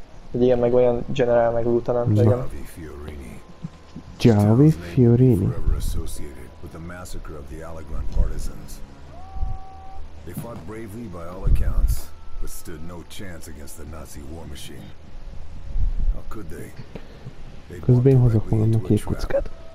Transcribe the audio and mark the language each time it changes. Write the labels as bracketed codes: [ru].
[hu] Egy ilyen meg olyan general meg lieutenant, igen. [en] Javi Fiorini. Javi Fiorini. Forever associated with the massacre of the Allegran partisans. They fought bravely by all accounts, but stood no chance against the Nazi war machine. How could they? [hu] Közben én hozok magamnak két kockát.